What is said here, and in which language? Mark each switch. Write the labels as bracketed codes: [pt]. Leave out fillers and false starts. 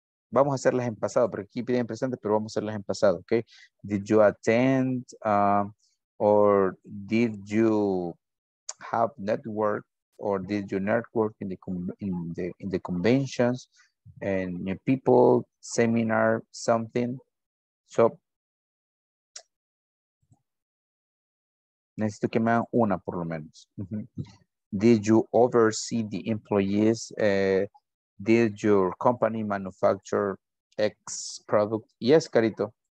[es] Vamos a hacerlas en pasado, porque aquí piden presente, pero vamos a hacerlas en pasado, ¿ok? [en] Did you attend or did you have network or did you network in the conventions and your people, seminar, something? [es] So, necesito que me hagan una por lo menos. [en] Did you oversee the employees? Did your company manufacture X product? Yes, Carito.